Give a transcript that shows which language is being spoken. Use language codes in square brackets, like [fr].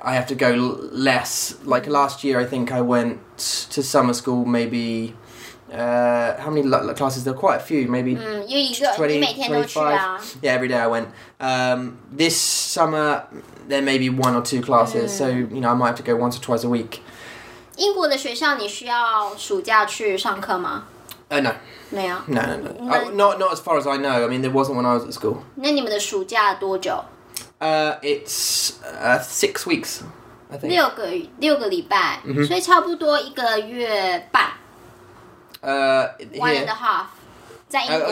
[en] I have to go less. Like last year, I think I went to summer school maybe... how many classes? There are quite a few, maybe 20, 25. Yeah, every day I went. This summer, there may be one or two classes, so you know I might have to go once or twice a week. [zh] 英国的学校你需要暑假去上课吗? [en] No. [zh] 没有? [en] No. Not as far as I know. I mean, there wasn't when I was at school. [zh] 那你们的暑假多久? [en] It's 6 weeks, I think. [zh] 六个礼拜, mm-hmm. 所以差不多一个月半。 [en] 1.5 Oh,